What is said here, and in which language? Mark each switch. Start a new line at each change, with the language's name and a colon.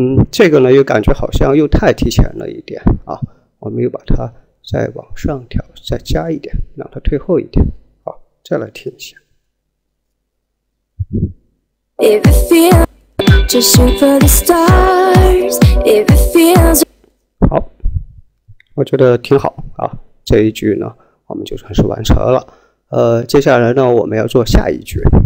Chinese: 这个呢又感觉好像又太提前了一点啊，我们又把它再往上调，再加一点，让它退后一点。好，再来听一下。
English: If it feels, just shoot for the stars. If it feels,
Chinese: 好，我觉得挺好啊。这一句呢，我们就算是完成了。接下来呢，我们要做下一句。